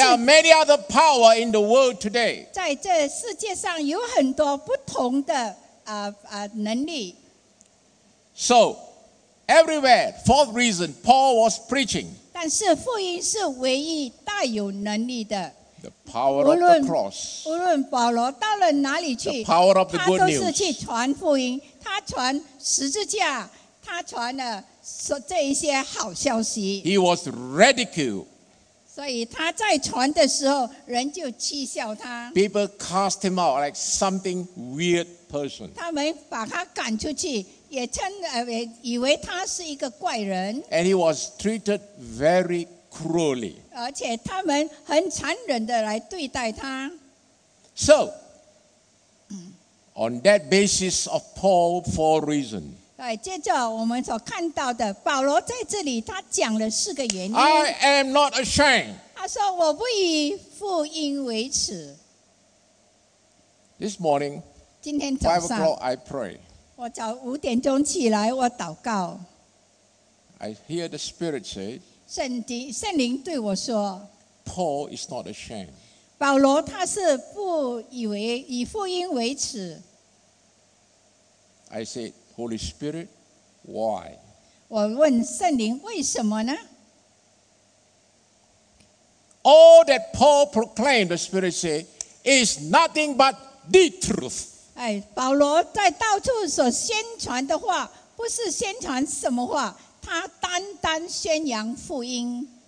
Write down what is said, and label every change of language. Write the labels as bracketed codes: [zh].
[en] there are many other power in the world today. [zh] 在这世界上有很多不同的, , 能力。 [en] So, everywhere, fourth reason, Paul was preaching. [zh] 但是福音是唯一带有能力的, [en] the power [zh] 无论, [en] of the cross. [zh] 无论保罗到了哪里去, [en] the power of the good news. [zh] 他都是去传福音, 他传十字架, 他传了这一些好消息。 [en] He was ridiculed. [zh] 所以他在传的时候, 人就讥笑他。 [en] People cast him out like something weird person. [zh] 他们把他赶出去, 也称以为他是一个怪人, [en] and he was treated very cruelly. [zh] 而且他们很残忍地来对待他。 [en] So, on that basis of Paul, four reasons. [zh] 接着我们所看到的, 保罗在这里, 他讲了四个原因。 [en] I am not ashamed. [zh] 他说, 我不以福音为耻。 [en] This morning, [zh] 今天早上, [en] 5 o'clock, I pray. [zh] 我早5点钟起来, 我祷告。 [en] I hear the Spirit say, [zh] 圣灵对我说, [en] Paul is not ashamed. [zh] 保罗他是不以福音为耻。 [en] I said, Holy Spirit, why? [zh] 我问圣灵为什么呢? [en] All that Paul proclaimed, the Spirit said, is nothing but the truth. [zh] 保罗在到处所宣传的话, 不是宣传什么话, 他单单宣扬福音。